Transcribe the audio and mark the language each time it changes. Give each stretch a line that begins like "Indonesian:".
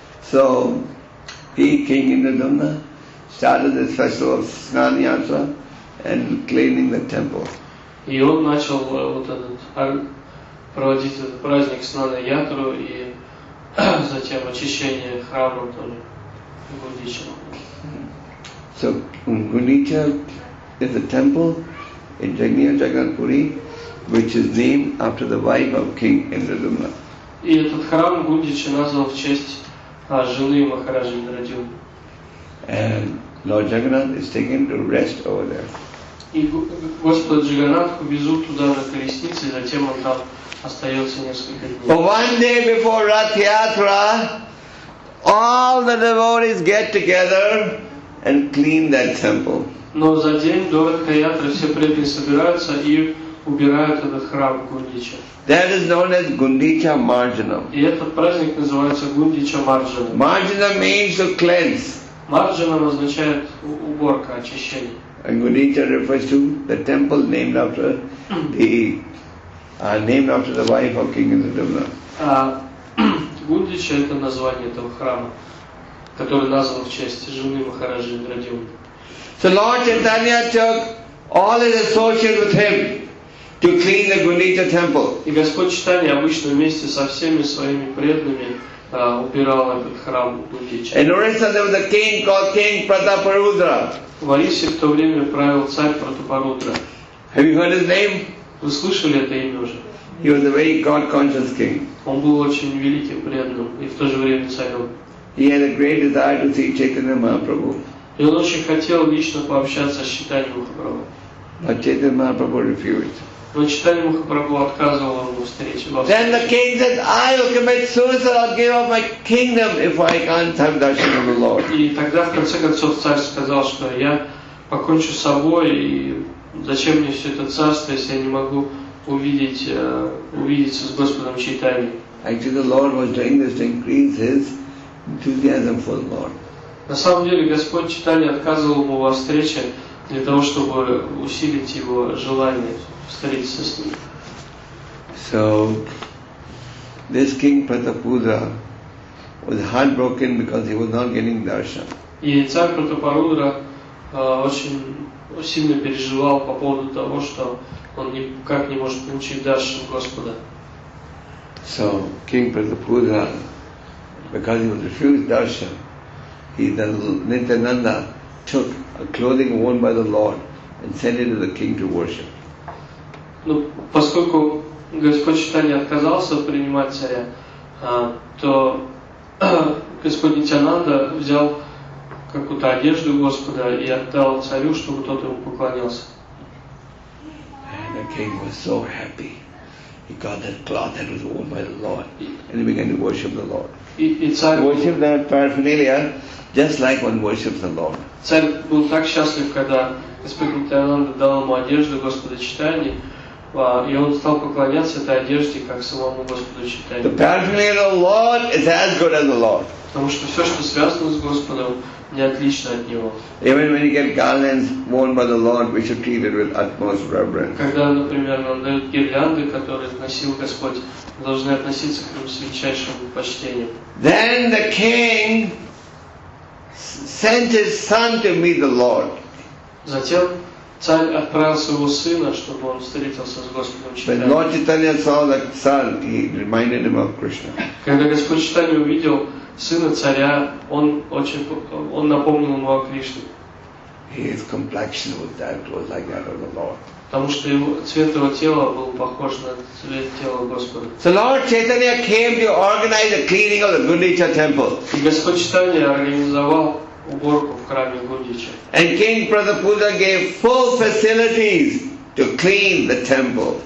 English: So he, King Indradumna, started this festival of Snan Yatra and cleaning the temple.
Russian: И он начал вот этот проводить этот праздник Снан Ятру и затем очищение храма тоже Гундича.
English: So Гундича is a temple in Jagannath Puri, which is named after the wife of King Indradumna.
Russian: И этот храм Гундича назвал в честь жены Махараджи Индрадюмны.
English: And Lord Jagannath is taken to rest over there.
Russian: И Господь Джаганнатху везут туда на колеснице, затем он там остается несколько дней.
English: One day before Rath Yatra, all the devotees get together and clean that temple.
Russian: Но за день до Ратха Ятры все преданные собираются и убирают этот храм Гундича.
English: That is known as Gundicha Marjanam.
Russian: И этот праздник называется Гундича Марджанам.
English: Marjanam means to cleanse.
Russian: Марджанам означает уборка, очищение.
English: And Gundicha refers to the temple named after the wife of King Indradumna.
Russian: Гундича — это название этого храма, который назван в честь жены Махараджи Индрадюмны.
English: So Lord Chaitanya took all his associates with him to clean the Gundicha temple.
Russian: И Господь Читания обычно вместе со всеми своими преданными убирал этот храм Гундича.
English: In Orissa there was a king called King Prataparudra.
Russian: В Орисе в то время правил царь Пратапарудра.
English: Have you heard his name?
Russian: Вы слышали это имя уже?
English: He was a very God-conscious king.
Russian: Он был очень великим преданным и в то же время царем.
English: He had a great desire to see Chaitanya Mahaprabhu.
Russian: И он очень хотел лично пообщаться с Чайтанья Махапрабху.
English: But Chaitanya Mahaprabhu refused.
Russian: Но Чайтанья Махапрабху отказывал ему встрече.
English: Then the king said, I will commit suicide, I'll give up my kingdom if I can't have darshan of the Lord.
Russian: И тогда в конце концов царь сказал, что я покончу с собой, и зачем мне все это царство, если я не могу увидеться с Господом Чайтанья.
English: Actually the Lord was doing this to increase his enthusiasm for the Lord.
Russian: На самом деле Господь Читания отказывал ему во встрече для того, чтобы усилить его желание встретиться с ним.
English: So this king Pratapudra was heartbroken because he was not getting darshan.
Russian: И царь Пратапарудра очень сильно переживал по поводу того, что он никак не может получить даршан Господа.
English: So king Pratapudra, because he was refused darshan, Nityananda took a clothing worn by the Lord and sent it to the king to worship.
Russian: Ну, поскольку Господь Чайтанья отказался принимать царя, то Господь Нитянанда взял какую-то одежду Господа и отдал царю, чтобы тот ему поклонился.
English: And the king was so happy. He got that cloth that was worn by the Lord and he began to worship the Lord. Worship that paraphernalia just like one worships the Lord.
Russian: Царь был так счастлив, когда Господь Нитянанда дал ему одежду Господа Читания, и он стал поклоняться этой одежде, как самому Господу Читания.
English: The paraphernalia of the Lord is as good as the Lord.
Russian: Потому что все, что связано с Господом, не отлично от Него.
English: Even when you get garlands worn by the Lord, we should treat it with utmost reverence.
Russian: Когда, например, нам дают гирлянды, которые носил Господь, мы должны относиться к ним с величайшим почтением.
English: Then the king sent his son to meet the Lord.
Russian: Затем царь отправил своего сына, чтобы он встретился с Господом Читанием.
English: When Lord Chaitanya saw the son, he reminded him of Krishna.
Russian: Когда Господь Читанием увидел сына царя, он напомнил ему о Кришне.
English: His complexion was like that of the Lord.
Russian: Потому что его цвет его тела был похож на цвет тела Господа.
English: So Lord Chaitanya came to organize the cleaning of the Gundicha temple.
Russian: И Господь Читанья организовал уборку в храме Гундича.
English: And King Pratapudra gave full facilities to clean the temple.